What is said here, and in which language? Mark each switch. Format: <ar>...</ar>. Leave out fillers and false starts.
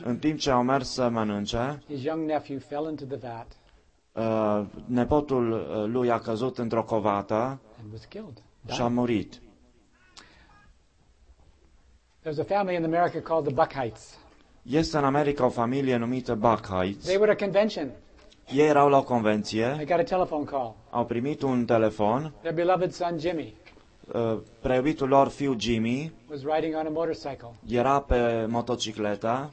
<ro>în timp ce au mers să mănânce,</ro> <en>his young nephew fell into the vat.</en> <ro>Nepotul lui a căzut într-o covată și a murit.</ro> <en>There's a family in America called the Buckheights.</en> <ro>Este în America o familie numită Buckheights.</ro> <en>They were at a convention.</en> <ro>Ei erau la o convenție.</ro> <en>They got a telephone call.</en> <ro>Au primit un telefon.</ro> <en>Their beloved son Jimmy.</en> <ro>Preiubitul lor fiu Jimmy</ro> <en>was riding on a motorcycle.</en> <ro>Era pe motocicletă.</ro>